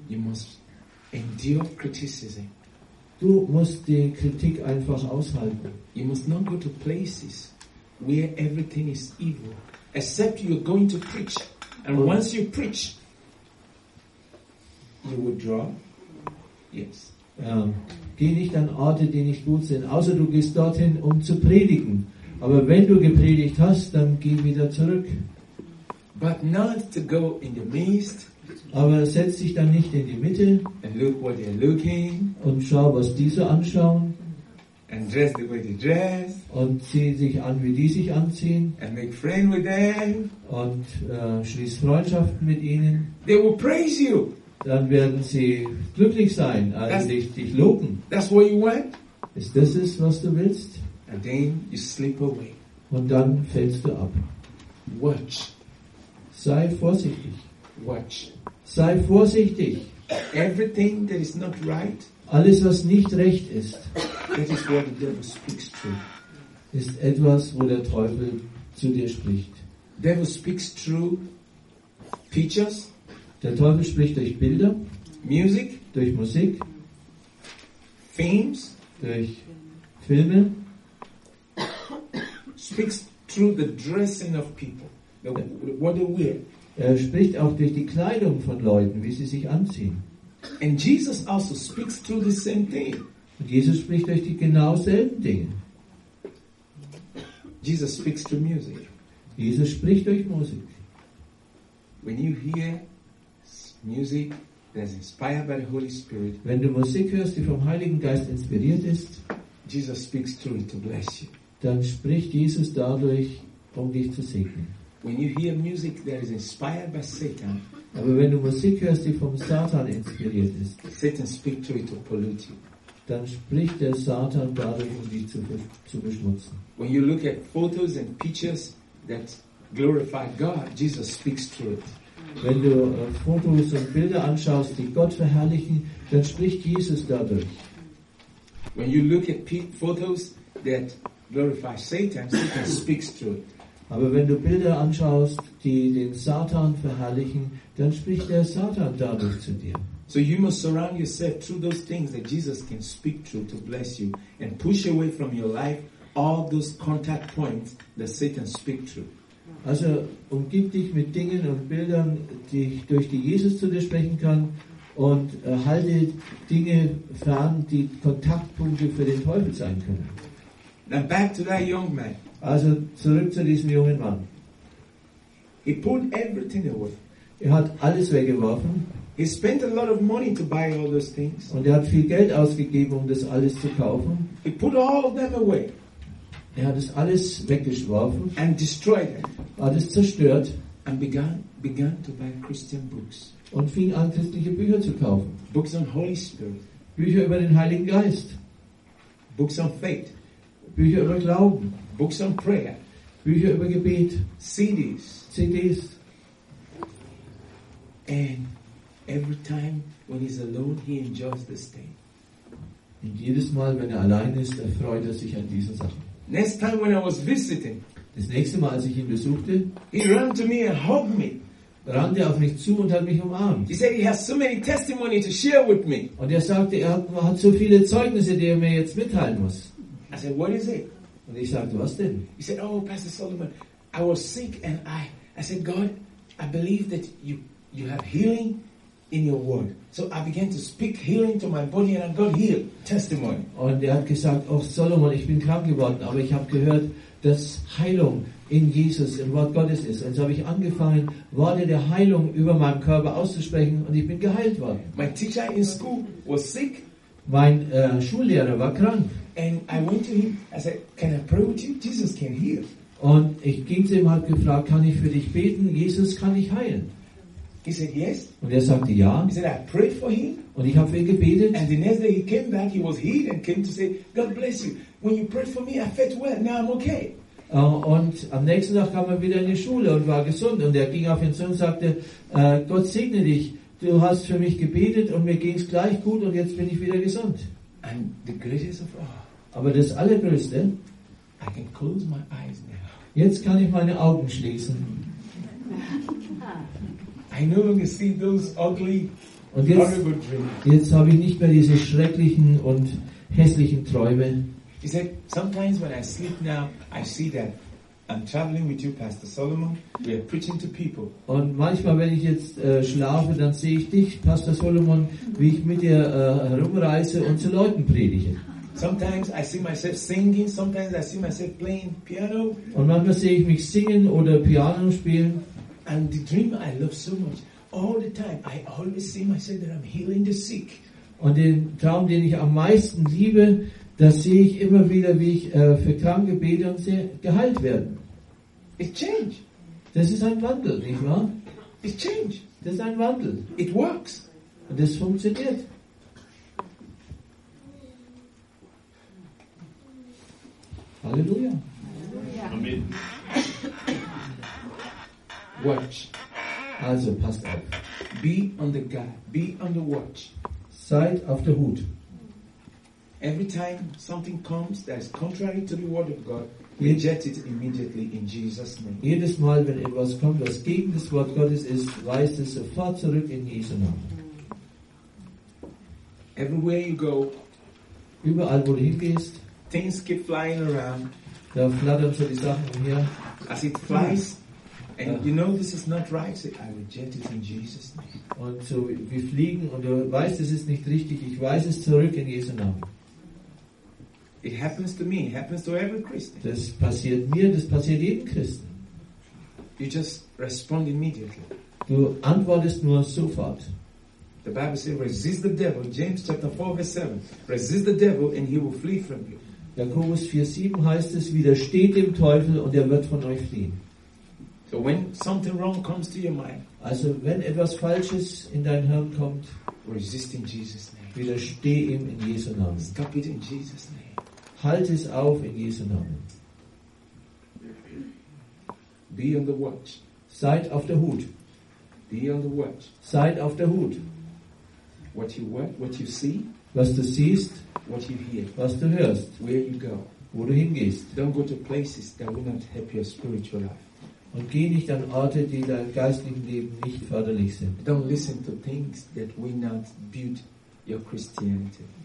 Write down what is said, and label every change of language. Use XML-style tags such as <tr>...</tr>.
<en>You must endure criticism.</en> <de>Du musst die Kritik einfach aushalten.</de> <en>You must not go to places where everything is evil, except you're going to preach. And once you preach, you withdraw. Yes.</en> <de>Geh nicht an Orte, die nicht gut sind, außer du gehst dorthin, um zu predigen. Aber wenn du gepredigt hast, dann geh wieder zurück.</de> <en>But not to go in the midst.</en> <de>Aber setz dich dann nicht in die Mitte</de> <en>and look what they're looking,</en> <de>und schau, was die so anschauen</de> <en>and dress the way they dress,</en> <de>und zieh sich an, wie die sich anziehen</de> <en>and make friend with them,</en> <de>und schließ Freundschaften mit ihnen.</de> <en>They will praise you.</en> <de>Dann werden sie glücklich sein, als sie dich loben.</de> <en>That's what you want.</en> <de>Ist das es, was du willst?</de> <en>And then you slip away.</en> <de>Und dann fällst du ab.</de> <en>Watch.</en> <de>Sei vorsichtig.</de> <en>Watch.</en> <de>Sei vorsichtig.</de> <en>Everything that is not right,</en> <de>alles, was nicht recht ist,</de> <en>that is what the devil speaks to,</en> <de>ist etwas, wo der Teufel zu dir spricht.</de> <en>Devil speaks through pictures,</en> <de>der Teufel spricht durch Bilder,</de> <en>music,</en> <de>durch Musik,</de> <en>themes,</en> <de>durch Filme,</de> <en>speaks through the dressing of people, what they wear.</en> <de>Er spricht auch durch die Kleidung von Leuten, wie sie sich anziehen.</de> <en>And Jesus also speaks through the same thing.</en> <de>Und Jesus spricht durch die genau selben Dinge.</de> <en>Jesus speaks through music.</en> <de>Jesus spricht durch Musik.</de> <en>When you hear music that's inspired by the Holy Spirit,</en> <de>wenn du Musik hörst, die vom Heiligen Geist inspiriert ist,</de> <en>Jesus speaks through it to bless you.</en> <de>Dann spricht Jesus dadurch, um dich zu segnen.</de> <en>When you hear music that is inspired by Satan,</en> <de>aber wenn du Musik hörst, die vom Satan inspiriert ist,</de> <en>Satan speaks through it to pollute you.</en> <de>Dann spricht der Satan dadurch, um dich zu beschmutzen.</de> <en>When you look at photos and pictures that glorify God, Jesus speaks through it.</en> <de>Wenn du Fotos und Bilder anschaust, die Gott verherrlichen, dann spricht Jesus dadurch.</de> <en>When you look at photos that glorify Satan, Satan speaks through it.</en> <de>Aber wenn du Bilder anschaust, die den Satan verherrlichen, dann spricht der Satan dadurch zu dir.</de> <en>So you must surround yourself through those things that Jesus can speak through to bless you and push away from your life all those contact points that Satan speaks through.</en> <de>Also umgib dich mit Dingen und Bildern, durch die Jesus zu dir sprechen kann, und halte Dinge fern, die Kontaktpunkte für den Teufel sein können.</de> <en>Now back to that young man.</en> <de>Also zurück zu diesem jungen Mann.</de> <en>He pulled everything away.</en> <de>Er hat alles weggeworfen.</de> <en>He spent a lot of money to buy all those things.</en> <de>Und er hat viel Geld ausgegeben, um das alles zu kaufen.</de> <en>He put all of them away.</en> <de>Er hat es alles weggeworfen.</de> <en>And destroyed it.</en> <de>Hat es zerstört.</de> <en>And began to buy Christian books.</en> <de>Und fing an, christliche Bücher zu kaufen.</de> <en>Books on Holy Spirit.</en> <de>Bücher über den Heiligen Geist.</de> <en>Books on faith.</en> <de>Bücher über Glauben.</de> <en>Books on prayer.</en> <de>Bücher über Gebet.</de> <en>CDs.</en> <de>CDs.</de> <en>And every time when he's alone, he enjoys this thing.</en> <de>Und jedes Mal, wenn er allein ist, erfreut er sich an diesen Sachen.</de> <en>Next time when I was visiting,</en> <de>das nächste Mal, als ich ihn besuchte,</de> <en>he ran to me and hugged me.</en> <de>Rannte auf mich zu und hat mich umarmt.</de> <en>He said he has so many testimonies to share with me.</en> <de>Und er sagte, er hat so viele Zeugnisse, die er mir jetzt mitteilen muss.</de> <en>I said, what is it?</en> <de>Und ich sagte, was denn?</de> <en>He said, oh, Pastor Solomon, I was sick and I said, God, I believe that you have healing in your word. So I began to speak healing to my body and I got healed. Testimony.</en> <de>Und er hat gesagt, oh Solomon, ich bin krank geworden, aber ich habe gehört, dass Heilung in Jesus, im Wort Gottes ist. Also habe ich angefangen, Worte der Heilung über meinen Körper auszusprechen und ich bin geheilt worden.</de> <en>My teacher in school was sick.</en> <de>Mein Schullehrer war krank.</de> <en>And I went to him, I said, can I pray with you? Jesus can heal.</en> <de>Und ich ging zu ihm und habe gefragt, kann ich für dich beten? Jesus kann dich heilen.</de> <en>He said, yes.</en> <de>Und er sagte, ja.</de> <en>He said, I prayed for him.</en> <de>Und ich habe für ihn gebetet.</de> <en>And the next day he came back, he was healed and came to say, God bless you. When you prayed for me, I felt well, now I'm okay.</en> <de>Und am nächsten Tag kam er wieder in die Schule und war gesund. Und er ging auf ihn zu und sagte, Gott segne dich. Du hast für mich gebetet und mir ging es gleich gut und jetzt bin ich wieder gesund.</de> <en>And the greatest of all.</en> <de>Aber das Allergrößte,</de> <en>I can close my eyes now.</en> <de>Jetzt kann ich meine Augen schließen.</de> <en>I no longer see those ugly,</en> <de>und jetzt habe ich nicht mehr diese schrecklichen und hässlichen Träume.</de> <en>He said, sometimes when I sleep now, I see that I'm traveling with you, Pastor Solomon. We are preaching to people.</en> <de>Und manchmal, wenn ich jetzt schlafe, dann sehe ich dich, Pastor Solomon, wie ich mit dir herumreise und zu Leuten predige.</de> <en>Sometimes I see myself singing. Sometimes I see myself playing piano.</en> <de>Und manchmal sehe ich mich singen oder Piano spielen.</de> <en>And the dream I love so much, all the time, I always see myself that I'm healing the sick.</en> <de>Und den Traum, den ich am meisten liebe, da sehe ich immer wieder, wie ich für Kranke bete und sie geheilt werden.</de> <en>It change.</en> <de>Das ist ein Wandel, nicht wahr?</de> <en>It change.</en> <de>Das ist ein Wandel.</de> <en>It works.</en> <de>Und das funktioniert. Halleluja. Amen.</de> <en>Watch.</en> <de>Also, passt auf.</de> <en>Be on the guard. Be on the watch.</en> <de>Seid auf der Hut.</de> <en>Every time something comes that is contrary to the word of God, reject it immediately in Jesus' name.</en> <de>Jedes Mal, wenn etwas kommt, das gegen das Wort Gottes ist, weist es sofort zurück in Jesu Namen.</de> <en>Everywhere you go,</en> <de>überall, wo du hingehst,</de> <en>things keep flying around.</en> <de>Da flattern so die Sachen hier.</de> <en>As it flies, and you know this is not right, so I reject it in Jesus' name.</en> <de>Und so wir fliegen und du weißt, es ist nicht richtig. Ich weise es zurück in Jesu Namen.</de> <en>It happens to me. It happens to every Christian.</en> <de>Das passiert mir. Das passiert jedem Christen.</de> <en>You just respond immediately.</en> <de>Du antwortest nur sofort.</de> <en>The Bible says, resist the devil. James chapter 4, verse 7. Resist the devil and he will flee from you.</en> <de>Jakobus 4, 7 heißt es, widersteht dem Teufel und er wird von euch fliehen.</de> <en>So when something wrong comes to your mind,</en> <de>also wenn etwas Falsches in dein Hirn kommt,</de> <en>resist in Jesus' name.</en> <de>Widersteh ihm in Jesu Namen.</de> <en>Stop it in Jesus' name.</en> <de>Halt es auf in Jesu Namen.</de> <en>Be on the watch.</en> <de>Seid auf der Hut.</de> <en>Be on the watch.</en> <de>Seid auf der Hut.</de> <en>What you want, what you see,</en> <de>was du siehst,</de> <en>what you hear,</en> <de>was du hörst,</de> <en>where you go,</en> <de>wo du hingehst.</de> <en>Don't go to places that will not help your spiritual life.</en> <de>Und geh nicht an Orte, die deinem geistlichen Leben nicht förderlich sind.</de> <en>Don't listen to things that will not build your Christianity.</en>